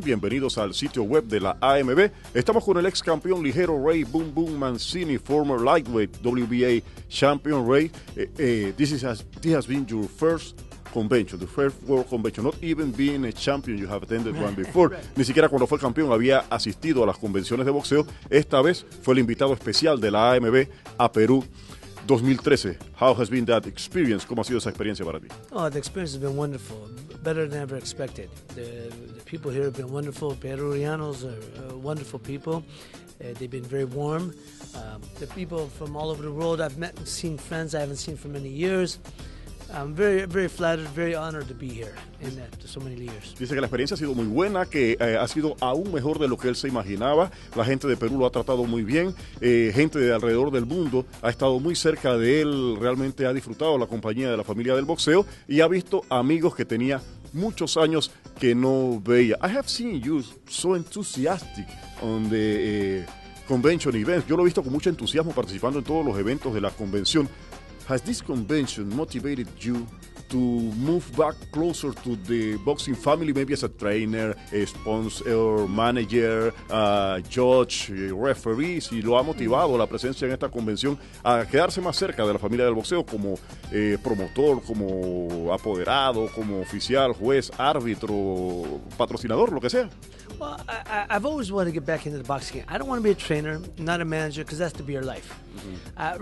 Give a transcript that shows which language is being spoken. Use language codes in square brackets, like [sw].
[es] Bienvenidos al sitio web de la AMB. Estamos con el ex campeón ligero Ray Boom Boom Mancini, [en] former lightweight WBA champion. Ray, this has been your first convention, the first world convention. Not even being a champion, you have attended one before. [es] Ni siquiera cuando fue campeón había asistido a las convenciones de boxeo. Esta vez fue el invitado especial de la AMB a Perú. [en] 2013. How has been that experience? [es] ¿Cómo ha sido esa experiencia para ti? [en] Oh, the experience has been wonderful, better than ever expected. The people here have been wonderful. Peruanos are wonderful people. They've been very warm. The people from all over the world I've met and seen friends I haven't seen for many years. I'm very, very flattered, very honored to be here in after so many years. [es] Dice que la experiencia ha sido muy buena, que ha sido aún mejor de lo que él se imaginaba. La gente de Perú lo ha tratado muy bien. Gente de alrededor del mundo ha estado muy cerca de él. Realmente ha disfrutado la compañía de la familia del boxeo y ha visto amigos que tenía muchos años que no veía. [en] I have seen you so enthusiastic on the convention events. [es] Yo lo he visto con mucho entusiasmo participando en todos los eventos de la convención. [en] Has this convention motivated you to move back closer to the boxing family, maybe as a trainer, a sponsor, manager, judge, referee? [es] ¿Si lo ha motivado la presencia en esta convención a quedarse más cerca de la familia del boxeo como promotor, como apoderado, como oficial, juez, árbitro, patrocinador, lo que sea? [en] Well, I've always wanted to get back into the boxing game. I don't want to be a trainer, not a manager, because that's to be your life. Mm-hmm.